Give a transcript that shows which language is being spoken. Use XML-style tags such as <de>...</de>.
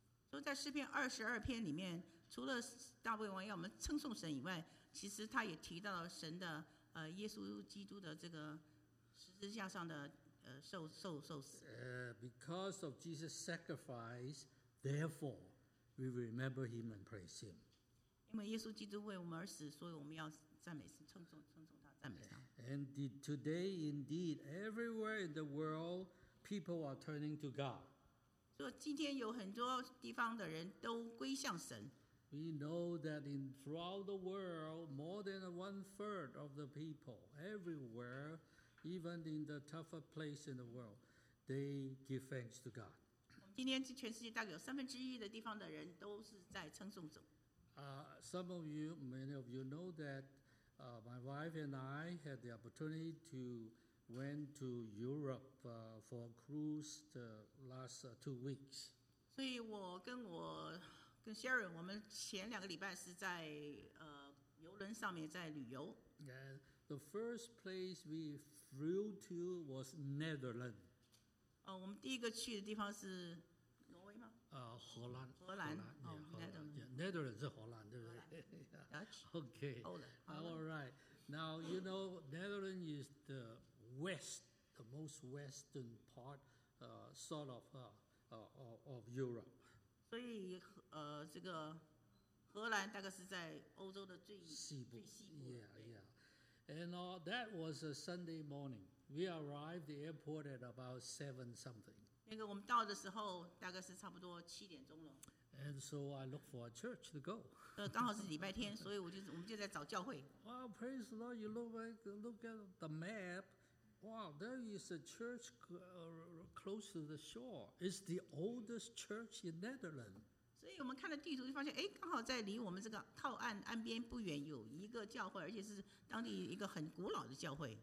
<zh>所以在诗篇二十二篇里面。除了大卫王要我们称颂神以外，其实他也提到了神的耶稣基督的这个十字架上的受死。</zh> <en>Because of Jesus' sacrifice, therefore we remember him and praise him.</en> <zh>因为耶稣基督为我们而死，所以我们要赞美神，称颂他，赞美他。</zh> <en>And today, indeed, everywhere in the world, people are turning to God.</en> <zh>所以今天有很多地方的人都归向神。</zh> <en>We know that in throughout the world, more than one third of the people, everywhere, even in the tougher place in the world, they give thanks to God.</en> <zh>今天全世界大概有三分之一的地方的人都是在称颂主。</zh> <en>Some of you, many of you know that my wife and I had the opportunity to went to Europe for a cruise the last 2 weeks.</en> <zh>所以我跟我跟 Sharon 我们前两个礼拜是在游轮上面在旅游。</zh> <en>Yeah, the first place we flew to was Netherlands.</en> <zh>我们第一个去的地方是挪威吗？荷兰。荷兰。 Netherlands 是荷兰，对不对</zh> <en>？Dutch. Okay. Holland. All right. Now you know Netherlands is the west, the most western part, sort of Europe.</en> <zh>所以这个荷兰大概是在欧洲的最西部。</zh> <en>Yeah. And that was a Sunday morning. We arrived the airport at about 7 something.</en> <zh>那个我们到的时候大概是差不多七点钟了。</zh> <en>And so I looked for a church to go.</en> <zh>刚好是礼拜天，所以我们就在找教会。</zh> <en>Well, praise the Lord, you look at the map. Wow, there is a church close to the shore. It's the oldest church in Netherlands.</en> <zh>所以我们看了地图就发现，刚好在离我们这个靠岸岸边不远有一个教会，而且是当地一个很古老的教会。</zh>